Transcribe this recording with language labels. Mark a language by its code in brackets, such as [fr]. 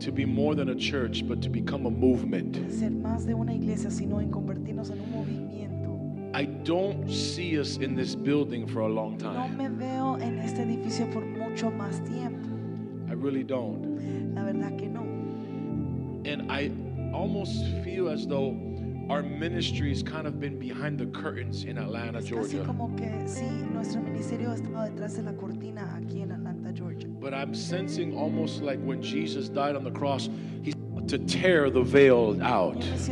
[en] To be more than a church, but to become a movement. [es] Ser más de una iglesia, sino en convertirnos en un movimiento. [en] I don't see us in this building for a long time. [es] No me veo en este edificio por mucho más tiempo. [en] I really don't. [es] La verdad que no. [en] And I almost feel as though our ministry has kind of been behind the curtains in Atlanta, Georgia. But I'm sensing almost like when Jesus died on the cross, he's about to tear the veil out.